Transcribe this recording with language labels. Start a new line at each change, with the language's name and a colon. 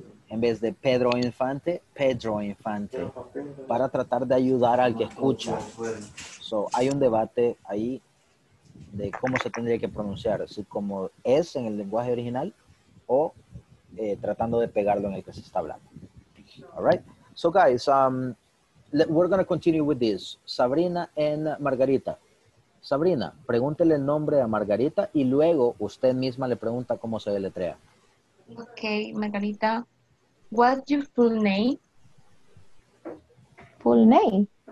Spanish: En vez de Pedro Infante, Pedro Infante, para tratar de ayudar al que escucha. So, hay un debate ahí de cómo se tendría que pronunciar, si como es en el lenguaje original o tratando de pegarlo en el que se está hablando.
English: All right. So, guys, we're going to continue with this. Sabrina and Margarita.
Spanish: Sabrina, pregúntele el nombre a Margarita y luego usted misma le pregunta cómo se deletrea.
English: Ok, Margarita. What's your full name? Full name.